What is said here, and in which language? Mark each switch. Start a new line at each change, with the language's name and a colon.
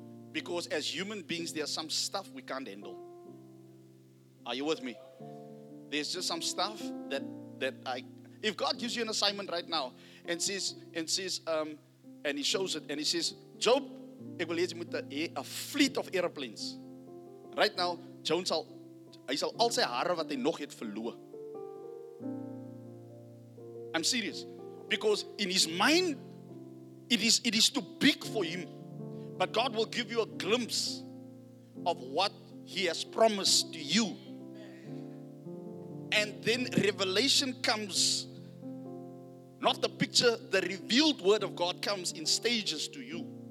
English: Because as human beings, there are some stuff we can't handle. Are you with me? There's just some stuff that if God gives you an assignment right now and he shows it and he says, Job,
Afrikaans: ek wil hê jy moet 'n
English: fleet of aeroplanes. Right now,
Afrikaans: hy sal al sy hare wat hy nog het verloor.
English: I'm serious. Because in his mind, it is too big for him. But God will give you a glimpse of what he has promised to you. And then revelation comes. Not the picture, the revealed word of God comes in stages to you.